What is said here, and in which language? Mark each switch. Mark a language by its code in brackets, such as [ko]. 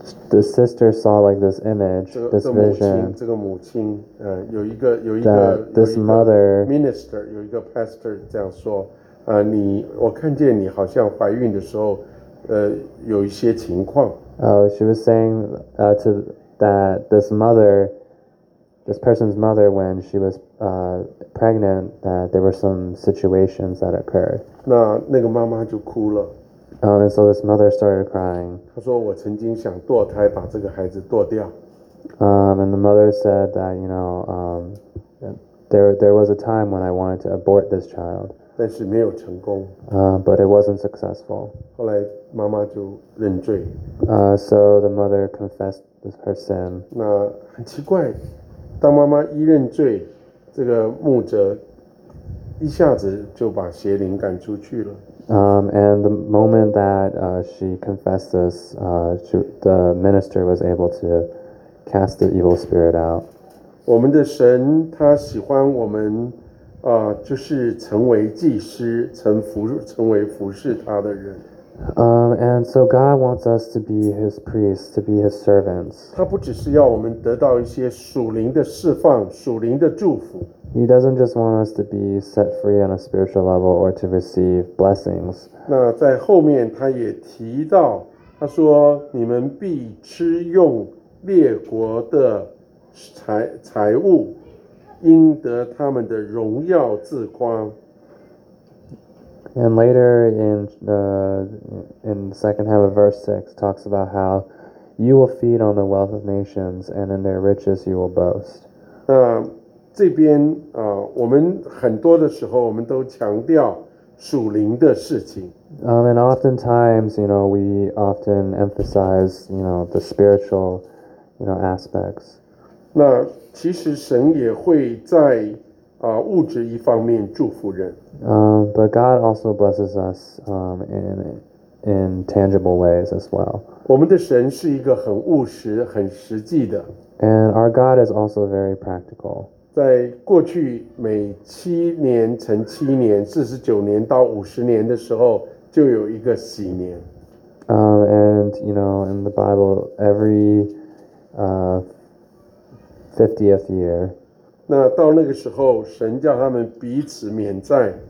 [en] The sister saw like this image, this vision. [zh] 这个母亲，有一个有一个 [en] this mother [zh] minister 有一个 pastor 这样说，你我看见你好像怀孕的时候，有一些情况。 [en] She was saying, to that this mother, this person's mother, when she was pregnant, that there were some situations that occurred. [zh] 那个妈妈就哭了。 [en] And so this mother started crying. [zh] 她说我曾经想堕胎把这个孩子堕掉。 [en] And the mother said that, you know, there was a time when I wanted to abort this child. [zh] 但是没有成功。 [en] But it wasn't successful. [zh] 后来妈妈就认罪。 [en] So the mother confessed her sin. [zh] 那很奇怪，当妈妈一认罪，这个牧者一下子就把邪灵赶出去了。 [en] And the moment that she confessed this, the minister was able to cast the evil spirit out. [zh] 我们的神他喜欢我们，就是成为祭师，成为服侍他的人。 [en] And so God wants us to be His priests, to be His servants. [zh] 他不只是要我们得到一些属灵的释放，属灵的祝福。 [en] He doesn't just want us to be set free on a spiritual level or to receive blessings. [zh] 那在后面他也提到，他说你们必吃用列国的财物，应得他们的荣耀自夸。 [en] And later in the second half of verse 6 talks about how you will feed on the wealth of nations and in their riches you will boast. [zh] 这边我们很多的时候我们都强调属灵的事情。 [en] And oftentimes, you know, we often emphasize, you know, the spiritual, you know, aspects. [zh] 那其实神也会在物质一方面祝福人。 [en] But God also blesses us in tangible ways as well. [zh] 我们的神是一个很务实、很实际的。 [en] And our God is also very practical. [zh] 在过去每七年乘七年，49年到50年的时候，就有一个禧年。 [en] And you know, in the Bible, every 50th year. [zh] 那到那个时候，神叫他们彼此免债。